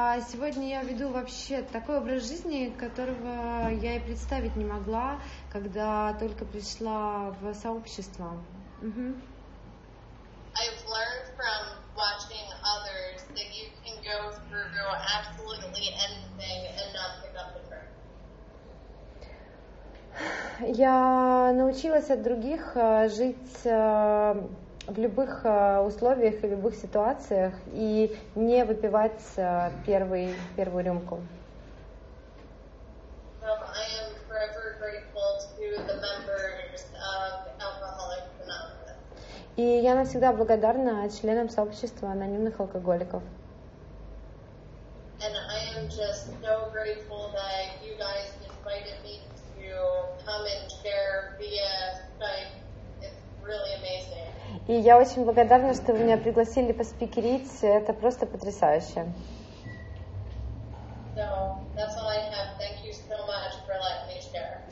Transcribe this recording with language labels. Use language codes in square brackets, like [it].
[ru] Сегодня я веду вообще такой образ жизни, которого я и представить не могла, когда только пришла в сообщество. [en] I've learned from watching others that you can go through absolutely anything and not pick up the curve. [ru] Я научилась от других жить в любых условиях и любых ситуациях и не выпивать первую рюмку. [en] I am forever grateful to the members of Alcoholics Anonymous. [ru] И я навсегда благодарна членам сообщества анонимных алкоголиков. [en] And I am just so grateful that you guys invited me to come and share via Skype. Really. [ru] И я очень благодарна, что вы меня пригласили поспикерить. Это просто потрясающе. [en] So, that's all I have. Thank you so much for letting me share.